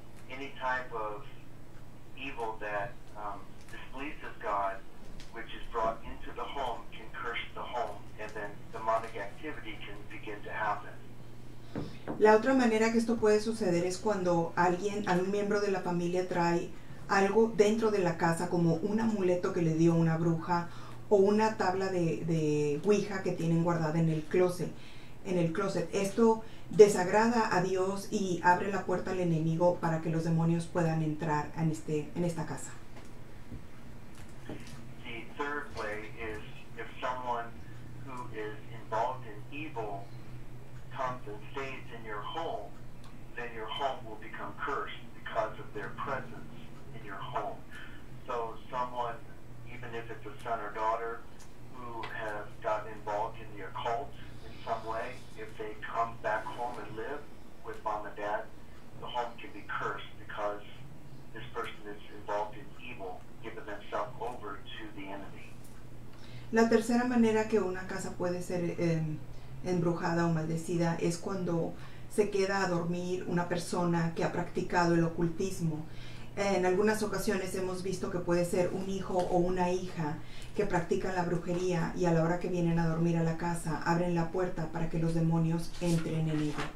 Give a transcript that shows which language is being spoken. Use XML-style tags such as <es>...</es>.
<en>Any type of evil that displeases God, which is brought into the home, can curse the home, and then demonic activity can begin to happen.</en> <es>La otra manera que esto puede suceder es cuando alguien, algún miembro de la familia trae algo dentro de la casa, como un amuleto que le dio una bruja, o una tabla de Ouija que tienen guardada en el closet. Esto desagrada a Dios y abre la puerta al enemigo para que los demonios puedan entrar en este, en esta casa.</es> <en>The third way is if someone who is involved in evil comes and stays in your home, then your home will become cursed because of their presence in your home. So someone, even if it's a son or daughter who has gotten involved in the occult, some way, if they come back home and live with mom and dad, the home can be cursed because this person is involved in evil, giving themselves over to the enemy.</en> <es>La tercera manera que una casa puede ser embrujada o maldecida es cuando se queda a dormir una persona que ha practicado el ocultismo. En algunas ocasiones hemos visto que puede ser un hijo o una hija que practica la brujería y a la hora que vienen a dormir a la casa, abren la puerta para que los demonios entren en ella.</es>